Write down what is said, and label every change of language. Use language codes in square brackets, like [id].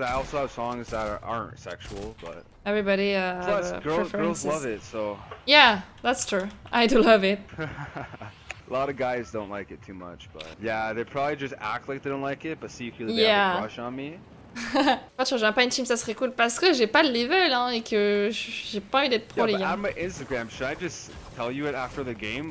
[en] I also have songs that aren't sexual, but everybody plus girls love it. So yeah, that's true. I do love it. A lot of guys don't like it too much, but yeah, they probably just act like they don't like it, but secretly they have a crush on me. [fr] Moi, je changerais pas une team, ça serait cool parce que j'ai pas le level hein, et que j'ai pas envie d'être pro, les gars. [en] Yeah, but add my Instagram. Should I just tell you it after the game?